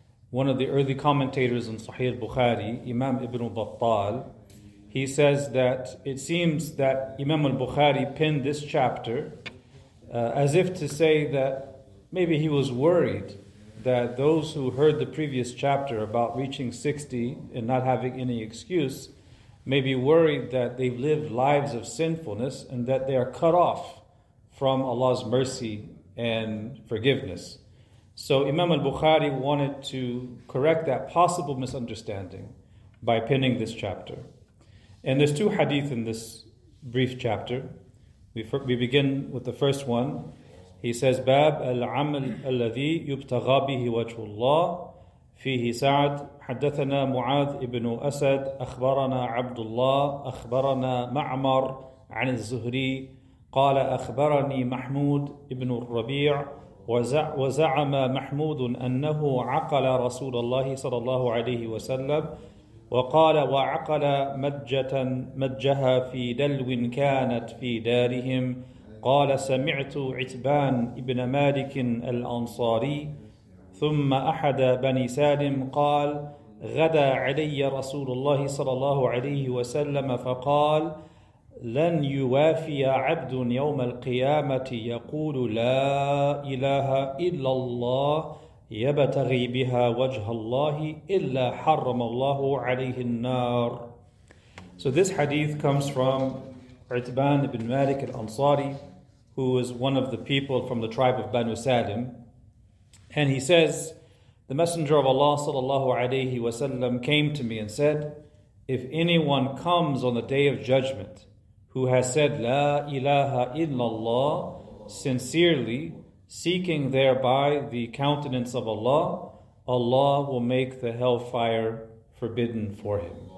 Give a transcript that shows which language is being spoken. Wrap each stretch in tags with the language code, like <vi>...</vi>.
<en>One of the early commentators on Sahih al-Bukhari, Imam Ibn Battal, he says that it seems that Imam al-Bukhari penned this chapter as if to say that maybe he was worried that those who heard the previous chapter about reaching 60 and not having any excuse may be worried that they've lived lives of sinfulness and that they are cut off from Allah's mercy and forgiveness. So Imam al-Bukhari wanted to correct that possible misunderstanding by penning this chapter. And there's two hadith in this brief chapter. We begin with the first one. He says,</en> <ar>باب العمل الذي يبتغى به وجه الله فيه سعد حدثنا معاذ ابن أسد أخبرنا عبد الله أخبرنا معمر عن الزهري قال أخبرني محمود ابن الربيع وزعم محمود أنه عقل رسول الله صلى الله عليه وسلم وقال وعقل مجة مجها في دلو كانت في دارهم قال سمعت عتبان ابن مالك الأنصاري ثم أحد بني سالم قال غدا علي رسول الله صلى الله عليه وسلم فقال لن يوافي عبد يوم القيامة يقول لا إله إلا الله يبتغي بها وجه الله إلا حرم الله عليه النار.</ar> <en>So this hadith comes from Utban ibn Malik al-Ansari, who is one of the people from the tribe of Banu Salim. And he says, the Messenger of Allah sallallahu alayhi wa sallam came to me and said, if anyone comes on the day of judgment who has said La ilaha illallah sincerely, seeking thereby the countenance of Allah, Allah will make the hellfire forbidden for him.</en>